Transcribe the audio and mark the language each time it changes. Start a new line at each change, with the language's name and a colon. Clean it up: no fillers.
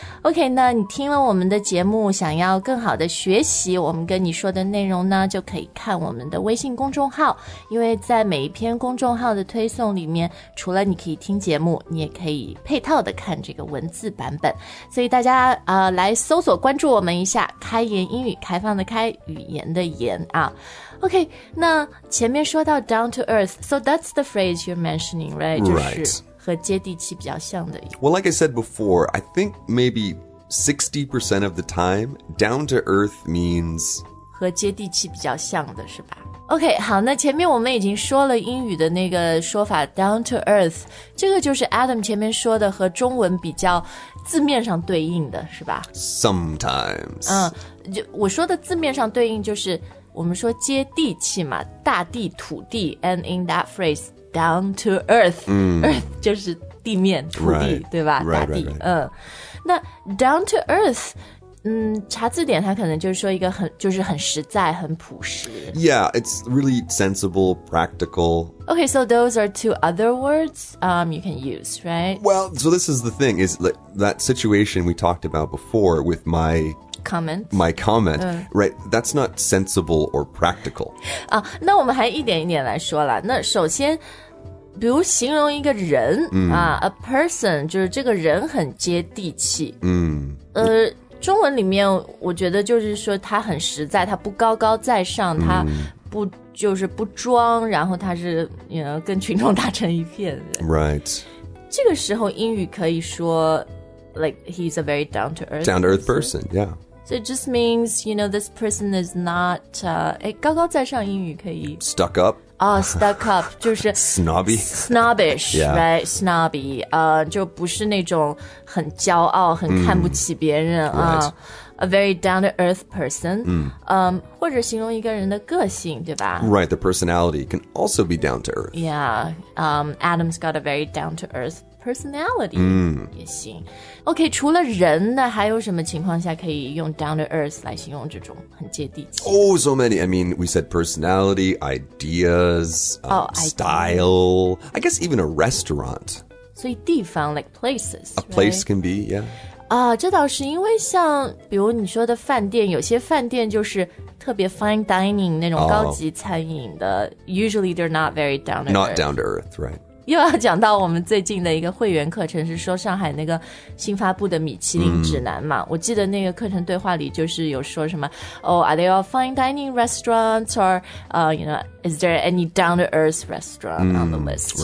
Chinese: OK, 那你听了我们的节目想要更好的学习我们跟你说的内容呢就可以看我们的微信公众号。因为在每一篇公众号的推送里面除了你可以听节目你也可以配套的看这个文字版本。所以大家来搜索关注我们一下开言英语开放的开语言的言啊。
English: OK,
Chinese: 那前面说到
English: down to earth, so that's the phrase you're mentioning, right? Right.
Chinese: 就是和接地气比较像的。
English: Well, like I said before, I think maybe 60% of the time, down to earth means...
Chinese: 和接地气比较像的是吧。OK, 好，那前面我们已经说了英语的那个说法 down to earth, 这个就是 Adam 前面说的和中文比较字面上对应的是吧。
English: Sometimes.
Chinese: 我说的字面上对应就是我们说接地气嘛，大地土地 ，
English: and in that phrase down to earth,、
Chinese: earth 就是地面土地，
English: right.
Chinese: 对吧？
English: Right,
Chinese: 大地，
English: right, right.
Chinese: 那 down to earth， 查字典它可能就是说一个很就是很实在很朴实。
English: Yeah, it's really sensible, practical. Okay, so those are two other words you can use, right? Well, so this is the thing is that situation we talked about before with my. My comment, right, that's not sensible or practical.
Chinese: 那我们还一点一点来说了。那首先比如形容一个人、
English: a person,
Chinese: 就是这个人很接地气。中文里面我觉得就是说他很实在他不高高在上他不就是不装然后他是
English: you know,
Chinese: 跟群众打成一片。
English: Right.
Chinese: 这个时候英语可以说
English: Like, he's a very down-to-earth person. Down-to-earth person, yeah. So it just means, you know, this person is not...
Chinese: 高高在上英语可以...
English: Stuck up. Oh, stuck up.
Chinese: 就是...
English: Snobby. Snobbish, yeah. right? Snobby.
Chinese: 就不是那种很骄傲,很看不起别人。
English: A very down-to-earth person.
Chinese: 或者形容一个人的个性,对吧?
English: Right, the personality can also be down-to-earth. Yeah. Adam's got a very down-to-earth personPersonality,
Chinese: 也行。 OK, 除了人呢还有什么情况下可以用 down to earth 来形容这种很接地气
English: Oh, so many. I mean, we said personality, ideas, style. I guess even a restaurant.
Chinese: 所以地方
English: like places. A place can be, yeah.
Chinese: 这倒是因为像比如你说的饭店有些饭店就是特别 fine dining 那种高级餐饮的
English: Usually they're not very down to earth. Not down to earth, right.
Chinese: 又要讲到我们最近的一个会员课程是说上海那个新发布的米其林指南嘛、我记得那个课程对话里就是有说什么
English: Oh, are there all fine dining restaurants or, you know, is there any down-to-earth restaurant on the list?